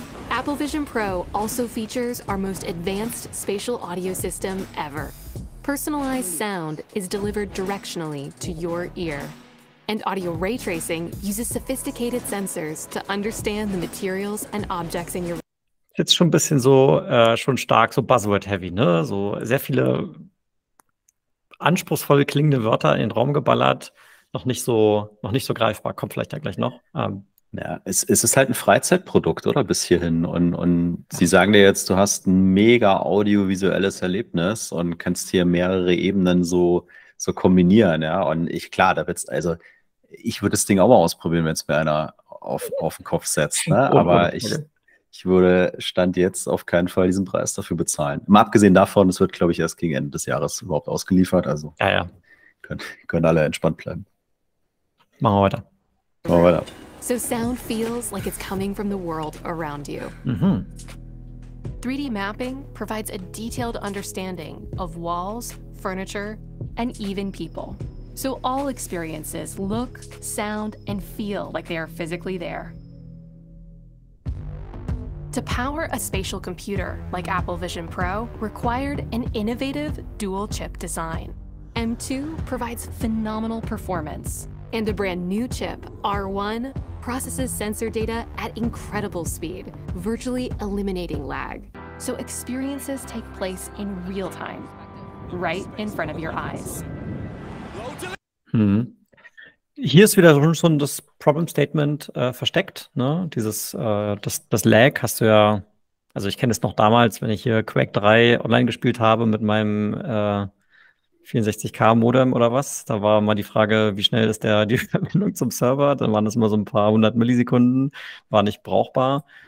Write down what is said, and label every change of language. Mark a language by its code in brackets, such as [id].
[en] Apple Vision Pro also features our most advanced spatial audio system ever. Personalized sound is delivered directionally to your ear. And audio ray tracing uses sophisticated sensors to understand the materials and objects in your. [de] Jetzt schon ein bisschen so, schon stark, so buzzword-heavy, ne? So sehr viele anspruchsvolle klingende Wörter in den Raum geballert. noch nicht so greifbar, kommt vielleicht ja gleich noch. Ja, es ist halt ein Freizeitprodukt, oder? Bis hierhin. Und sie sagen dir jetzt, du hast ein mega audiovisuelles Erlebnis und kannst hier mehrere Ebenen so kombinieren, ja. Und ich, klar, da wird's, also ich würde das Ding auch mal ausprobieren, wenn es mir einer auf den Kopf setzt, ne? Aber Okay. ich würde Stand jetzt auf keinen Fall diesen Preis dafür bezahlen. Mal abgesehen davon, es wird, glaube ich, erst gegen Ende des Jahres überhaupt ausgeliefert. Also Ja. können alle entspannt bleiben. Machen wir weiter. Machen wir weiter. [en] So sound feels like it's coming from the world around you. 3D mapping provides a detailed understanding of walls, furniture, and even people. So all experiences look, sound, and feel like they are physically there. To power a spatial computer like Apple Vision Pro required an innovative dual-chip design. M2 provides phenomenal performance, and a brand new chip, R1, processes sensor data at incredible speed, virtually eliminating lag. So experiences take place in real time, right in front of your eyes. [de] Hier ist wieder schon das Problem Statement versteckt. Ne? Das Lag hast du ja, also ich kenne es noch damals, wenn ich hier Quake 3 online gespielt habe mit meinem 64K Modem oder was. Da war mal die Frage, wie schnell ist die Verbindung zum Server? Dann waren das immer so ein paar hundert Millisekunden, war nicht brauchbar.